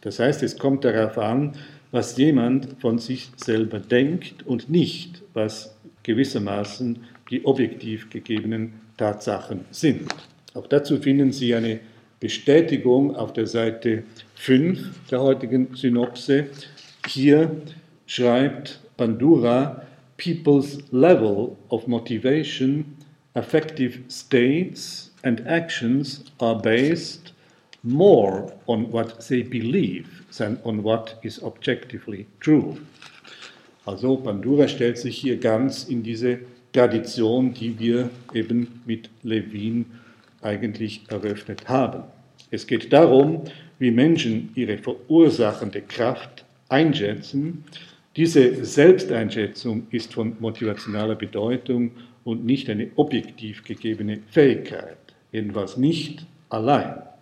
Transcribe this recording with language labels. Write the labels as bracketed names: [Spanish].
[German] Das heißt, es kommt darauf an, was jemand von sich selber denkt und nicht, was gewissermaßen die objektiv gegebenen Tatsachen sind. Auch dazu finden Sie eine Bestätigung auf der Seite 5 der heutigen Synopse. Hier schreibt Bandura: [English] People's level of motivation, affective states and actions are based more on what they believe than on what is objectively true. [German] Also Bandura stellt sich hier ganz in diese Tradition, die wir eben mit Levin eigentlich eröffnet haben. Es geht darum, wie Menschen ihre verursachende Kraft einschätzen. Diese Selbsteinschätzung ist von motivationaler Bedeutung und nicht eine objektiv gegebene Fähigkeit, jedenfalls nicht allein.